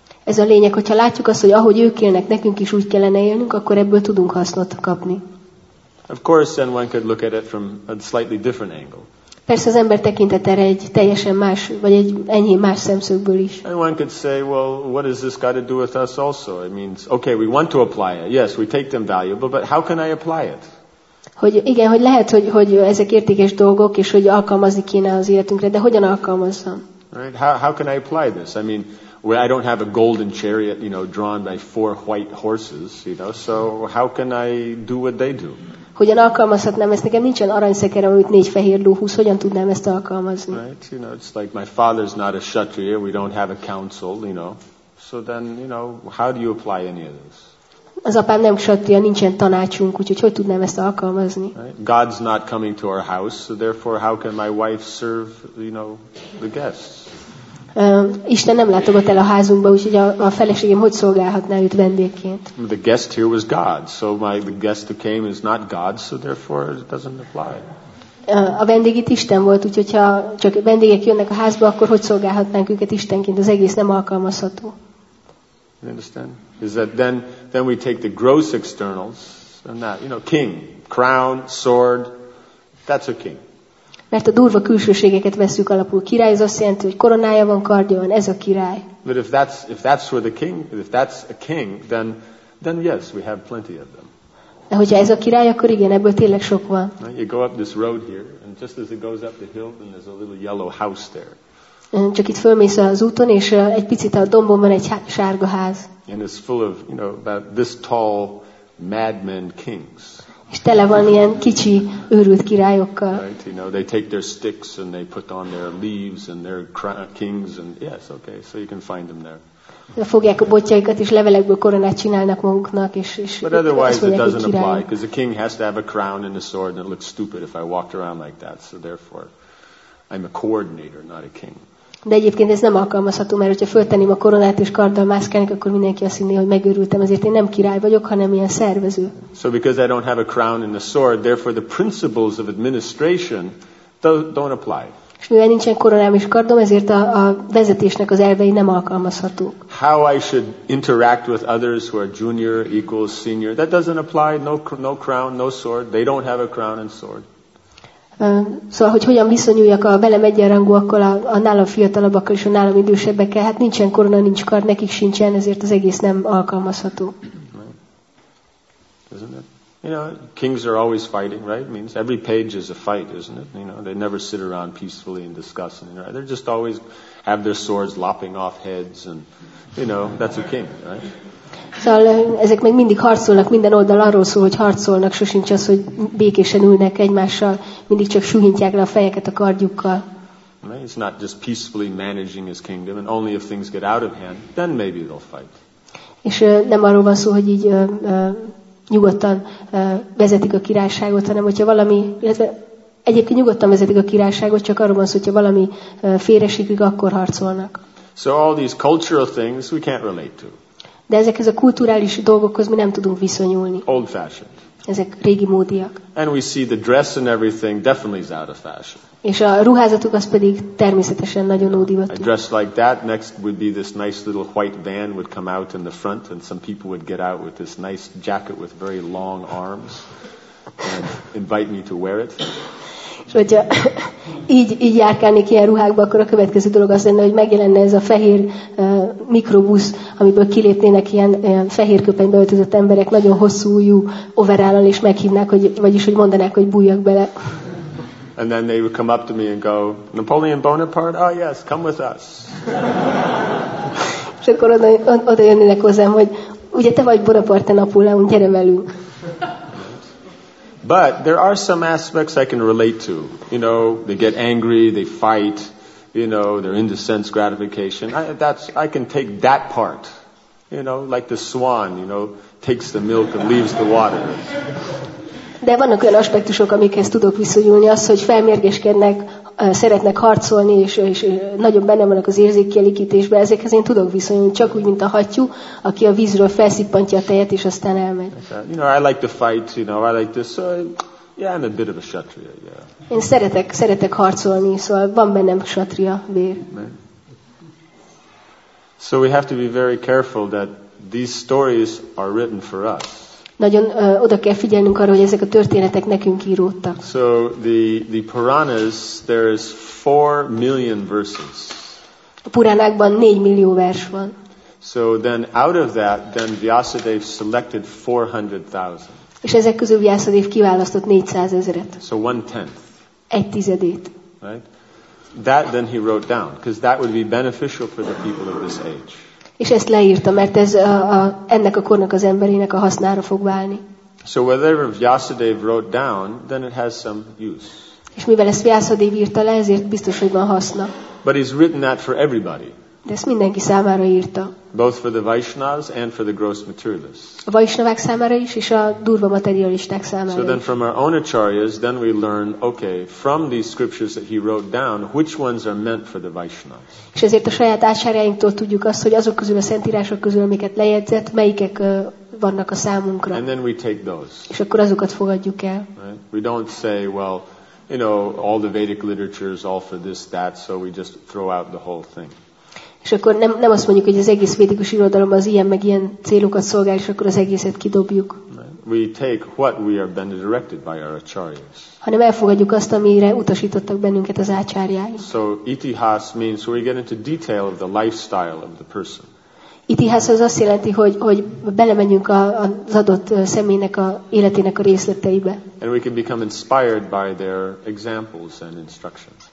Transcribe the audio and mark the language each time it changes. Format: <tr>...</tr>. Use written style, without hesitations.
<hu>Ez a lényeg, hogyha látjuk azt, hogy ahogy ők élnek, nekünk is úgy kellene élnünk, akkor ebből tudunk hasznot kapni.</hu> <en>Of course, then one could look at it from a slightly different angle.</en> <hu>Persze az ember tekintett erre egy teljesen más, vagy egy enyhén más szemszögből is.</hu> <en>And one could say, well, what has this got to do with us also? It means, okay, we want to apply it. Yes, we take them valuable, but how can I apply it?</en> <hu>Hogy igen, hogy lehet, hogy ezek értékes dolgok, és hogy alkalmazni kéne az életünkre, de hogyan alkalmazzam?</hu> <en>Right? How can I apply this? I mean, well, I don't have a golden chariot, you know, drawn by four white horses, you know, so how can I do what they do?</en> <hu>Hogyan alkalmazhatnám ezt? Nekem nincsen aranyszekerem, amit négy fehér ló húz. Hogyan tudnám ezt alkalmazni?</hu> <en>Right, you know, it's like my father's not a kshatriya. We don't have a council, you know. So then, you know, how do you apply any of this?</en> <hu>Az apám nem kshatriya, nincsen tanácsunk, úgyhogy hogy tudnám ezt alkalmazni?</hu> <en>God's not coming to our house, so therefore how can my wife serve, you know, the guests?</en> <hu>Isten nem látogat el a házunkba, úgyhogy a feleségem hogy szolgálhatná őt vendégként?</hu> <en>The guest here was God, so the guest who came is not God, so therefore it doesn't apply.</en> <hu>A vendég itt Isten volt, úgyhogy ha csak vendégek jönnek a házba, akkor hogy szolgálhatnánk őket Istenként? Az egész nem alkalmazható.</hu> <en>You understand? Is that then we take the gross externals and that, you know, king, crown, sword, that's a king.</en> <hu>Mert a durva külsőségeket veszük alapul. Király, ez azt jelenti, hogy koronája van, kardja van, ez a király.</hu> <en>But if that's where the king, if that's a king, then yes, we have plenty of them.</en> <hu>De hogyha ez a király, akkor igen, ebből tényleg sok van.</hu> <en>You go up this road here, and just as it goes up the hill, then there's a little yellow house there.</en> <hu>Csak itt fölmész az úton, és egy picit a dombon van egy sárga ház.</hu> <en>And it's full of, you know, about this tall madmen kings.</en> <hu>És tele van ilyen kicsi őrült királyokkal.</hu> <en>Right, you know, they take their sticks and they put on their leaves and their kings and yes, okay, so you can find them there.</en> <hu>Fogják a botjaikat és levelekből koronát csinálnak maguknak és</hu> <en>but otherwise it doesn't apply because the king has to have a crown and a sword and it looks stupid if I walked around like that. So therefore, I'm a coordinator, not a king.</en> <hu>De egyébként ez nem alkalmazható, mert hogyha fölteném a koronát és karddal mászkálnék, akkor mindenki azt hinné, hogy megőrültem, ezért én nem király vagyok, hanem ilyen szervező.</hu> <en>So because I don't have a crown and a sword, therefore the principles of administration don't apply.</en> <hu>És mivel nincsen koronám és kardom, ezért a vezetésnek az elvei nem alkalmazhatók.</hu> <en>How I should interact with others who are junior, equals, senior, that doesn't apply, no crown, no sword, they don't have a crown and sword.</en> <hu>Szóval, hogy hogyan viszonyuljak a velem egyenrangúakkal, a nálam fiatalabbakkal és a nálam idősebbekkel, hát nincsen korona, nincs kard, nekik sincsen, ezért az egész nem alkalmazható.</hu> <en>Right. Isn't it? You know, kings are always fighting, right? It means every page is a fight, isn't it? You know, they never sit around peacefully and discuss, right? They just always have their swords lopping off heads and, you know, that's a king, right?</en> <hu>Szóval ezek meg mindig harcolnak, minden oldal arról szól, hogy harcolnak, sosincs az, hogy békésen ülnek egymással, mindig csak suhintják le a fejeket a kardjukkal.</hu> <en>It's not just peacefully managing his kingdom, and only if things get out of hand, then maybe they'll fight.</en> <hu>És nem arról van szó, hogy így nyugodtan vezetik a királyságot, hanem hogyha valami, illetve egyébként nyugodtan vezetik a királyságot, csak arról van szó, hogyha valami félresiklik, akkor harcolnak.</hu> <en>So all these cultural things we can't relate to.</en> <hu>De ezekhez a kulturális dolgokhoz mi nem tudunk viszonyulni.</hu> <en>Old fashioned.</en> <hu>Ezek régi módiak.</hu> <en>And we see the dress and everything definitely is out of fashion.</en> <hu>És a ruházatuk az pedig természetesen nagyon ódivatú.</hu> <en>A dress like that, next would be this nice little white van would come out in the front and some people would get out with this nice jacket with very long arms and invite me to wear it.</en> <hu>És hogyha így járkálnék ilyen ruhákba, akkor a következő dolog az lenne, hogy megjelenne ez a fehér mikrobusz, amiből kilépnének ilyen fehér köpenybe öltözött emberek, nagyon hosszú ujjú overállal, és meghívnák, hogy, vagyis hogy mondanák, hogy bújjak bele.</hu> <en>And then they would come up to me and go, Napoleon Bonaparte? Oh yes, come with us.</en> <hu>És akkor oda jönnének hozzám, hogy ugye te vagy Bonaparte Napóleon, gyere velünk.</hu> <en>But there are some aspects I can relate to. You know, they get angry, they fight, you know, they're into sense gratification. I can take that part. You know, like the swan, you know, takes the milk and leaves the water.</en> <hu>De vannak olyan aspektusok, amikhez tudok viszonyulni, az, hogy felmérgeskednek, szeretnek harcolni, és nagyon benne vannak az érzékkielégítésben, ezekhez én tudok viszonyulni, csak úgy, mint a hattyú, aki a vízről felszippantja a tejet, és aztán elmegy.</hu> <en>You know, I like to fight, you know, I like this, so yeah, I'm a bit of a kshatriya, yeah.</en> <hu>Én szeretek harcolni, szóval van bennem kshatriya vér.</hu> <en>So we have to be very careful that these stories are written for us.</en> <hu>Nagyon oda kell figyelnünk arra, hogy ezek a történetek nekünk íródtak.</hu> <en>So the Puranas, there is 4 million verses.</en> <hu>A Puránákban 4 millió vers van.</hu> <en>So then out of that, then Vyasadeva selected 400,000.</en> <hu>És ezek közül Vyasadeva kiválasztott 400,000-et.</hu> <en>So 1/10.</en> <hu>Egy tizedét.</hu> <en>Right? That then he wrote down, because that would be beneficial for the people of this age.</en> <hu>És ezt leírta, mert ez ennek a kornak az emberének a hasznára fog válni.</hu> <en>So whatever Vyasadeva wrote down, then it has some use.</en> <hu>És mivel ezt Vyasadeva írta le, ezért biztos, hogy van haszna.</hu> <en>But he's written that for everybody.</en> <hu>De ezt mindenki számára írta.</hu> <en>Both for the Vaishnavas and for the gross materialists.</en> <hu>A Vaishnavák számára is, és a durva materialisták számára is.</hu> <en>So then from our own acharyas, then we learn, okay, from these scriptures that he wrote down, which ones are meant for the Vaishnavas.</en> <hu>És ezért a saját acharyáinktól tudjuk azt, hogy azok közül a szentírások közül, amiket lejegyzett, melyikek vannak a számunkra.</hu> <en>And then we take those.</en> <hu>És akkor azokat fogadjuk el.</hu> <en>Right? We don't say, well, you know, all the Vedic literature is all for this, that, so we just throw out the whole thing.</en> <hu>És akkor nem azt mondjuk, hogy az egész védikus irodalom az ilyen meg ilyen célokat szolgál, és akkor az egészet kidobjuk.</hu> <en>We take what we are being directed by our acharyas.</en> <hu>Hanem elfogadjuk azt, amire utasítottak bennünket az ácsárjáink.</hu> <en>So itihas means we get into detail of the lifestyle of the person.</en> <hu>Itihas az azt jelenti, hogy belemegyünk az adott személynek a életének a részleteibe.</hu> <en>And we can become inspired by their examples and instructions.</en>